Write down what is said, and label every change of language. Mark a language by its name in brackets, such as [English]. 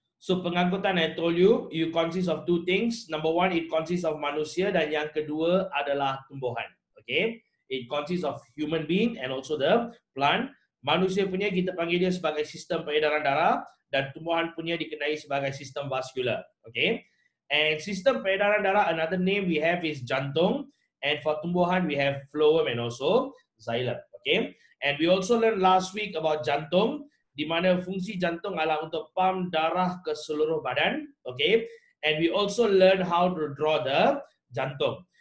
[English] So pengangkutan, I told you, you consist of two things. Number one, it consists of [Malay] manusia, dan yang kedua adalah tumbuhan. [English] Okay, it consists of human being and also the plant. [Malay] Manusia punya kita panggil dia sebagai sistem peredaran darah, dan tumbuhan punya dikenali sebagai sistem vaskular. [English] Okay, and [Malay] sistem peredaran darah, [English] another name we have is jantung, and for tumbuhan we have phloem and also xylem. Okay, and we also learned last week about jantung, [Malay] di mana fungsi jantung adalah untuk pump darah ke seluruh badan. [English] Okay, and we also learned how to draw the jantung.